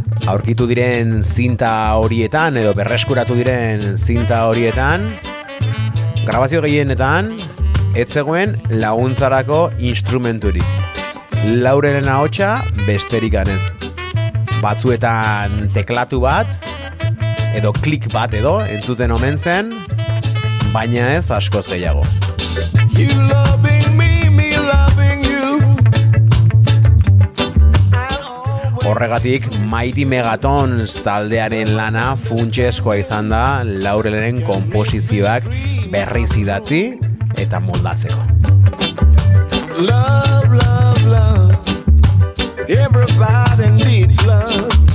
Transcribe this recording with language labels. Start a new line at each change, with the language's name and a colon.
Basque: Aurkitu diren zinta horietan edo berreskuratu diren zinta horietan grabazio gehienetan ez zegoen laguntzarako instrumenturik. Laurelen ahotsa besterik ganez. Batzuetan teklatu bat edo klik bat edo entzuten omen zen, baina ez askoz gehiago.
English: You loving me, me loving you.
Basque: Horregatik Mighty Megatons taldearen lana funtsezkoa izan da Laurelen komposizioak berriz idatzi eta moldatzeko.
English: Love, love, love. Everybody needs love.